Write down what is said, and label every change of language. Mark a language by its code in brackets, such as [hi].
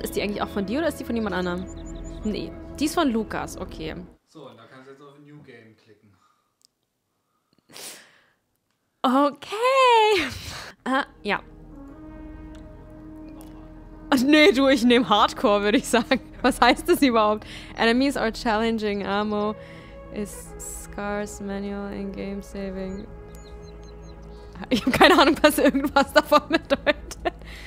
[de] Ist die eigentlich auch von dir oder ist die von jemand anderem? Nee, die ist von Lukas, okay. So, und da kannst du jetzt auf New Game klicken. Okay. Ja. Nee, du, ich nehme Hardcore, würde ich sagen. Was heißt das überhaupt? [en] Enemies are challenging, ammo is scarce, manual in game saving. [de] Ich habe keine Ahnung, was irgendwas davon bedeutet.